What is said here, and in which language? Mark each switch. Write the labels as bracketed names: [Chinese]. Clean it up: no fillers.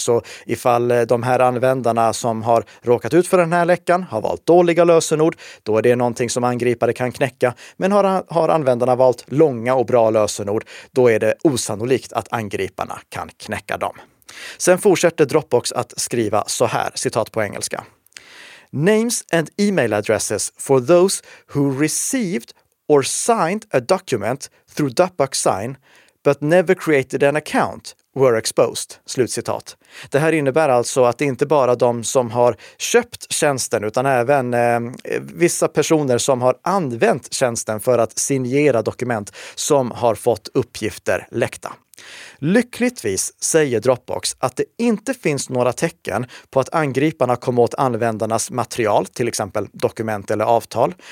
[Swedish] Så ifall de här användarna som har råkat ut för den här läckan har valt dåliga lösenord, då är det någonting som angripare kan knäcka. Men har användarna valt långa och bra lösenord, då är det osannolikt att angriparna kan knäcka dem. Sen fortsätter Dropbox att skriva så här, citat på engelska. [English] Names and email addresses for those who received or signed a document through Dropbox Sign but never created an account were exposed, [Swedish] slutcitat. Det här innebär alltså att det inte bara de som har köpt tjänsten utan även vissa personer som har använt tjänsten för att signera dokument som har fått uppgifter läckta. Lyckligtvis säger Dropbox att det inte finns några tecken på att angriparna kom åt användarnas material, till exempel dokument eller avtal.